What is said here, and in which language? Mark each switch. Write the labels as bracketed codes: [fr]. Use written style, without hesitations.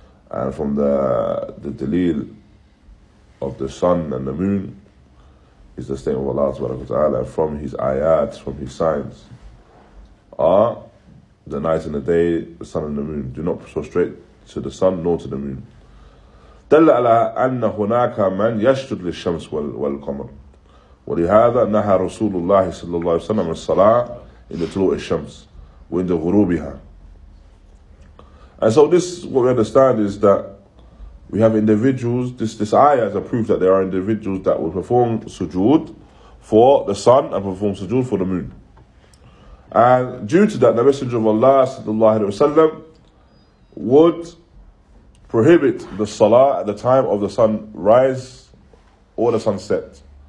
[en] And from the Dalil of the sun and the moon is the statement of Allah subhanahu wa ta'ala, and from his ayat, from his signs, are the night and the day, the sun and the moon. Do not prostrate to the sun nor to the moon. [ar] دل على أن هناك من يشتد للشمس والقمر ولهذا نهى رسول الله صلى الله عليه وسلم الصلاة [en] in the [ar] طلوع الشمس وعند غروبها. [en] And so this, what we understand is that we have individuals, this ayah is a proof that there are individuals that will perform sujood for the sun and perform sujood for the moon. And due to that, the Messenger of Allah sallallahu alayhi wa sallam would prohibit the salah at the time of the sun rise or the sunset.